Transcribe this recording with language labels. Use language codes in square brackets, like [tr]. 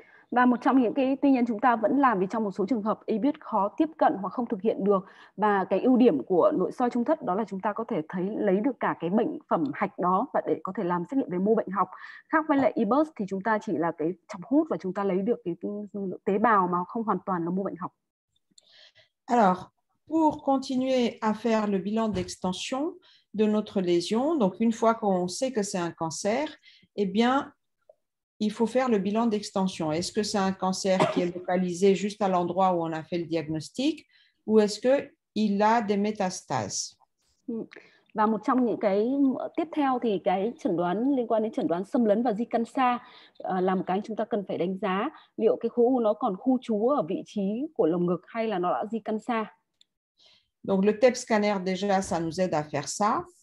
[vi] Và một trong những cái tuy nhiên chúng ta vẫn làm vì trong một số trường hợp y biết khó tiếp cận hoặc không thực hiện được, và cái ưu điểm của nội soi trung thất đó là chúng ta có thể thấy lấy được cả cái bệnh phẩm hạch đó và để có thể làm xét nghiệm về mô bệnh học. Khác với lại EBUS thì chúng ta chỉ là cái chọc hút và chúng ta lấy được cái tế bào mà không hoàn toàn là mô bệnh học. [fr] Alors, pour continuer à faire le bilan d'extension de notre lésion, donc une fois qu'on sait que c'est un cancer, eh bien, il faut faire le bilan d'extension. Est-ce que c'est un cancer qui est localisé juste à l'endroit où on a fait le diagnostic ou est-ce qu'il a des métastases? [vi] Và một trong những cái tiếp theo thì cái chẩn đoán liên quan đến chẩn đoán xâm lấn và di căn xa là một cái chúng ta cần phải đánh giá liệu cái khối u nó còn khu trú ở vị trí của lồng ngực hay là nó đã di căn xa. [fr] Donc le TEP scanner déjà, ça nous aide à faire ça.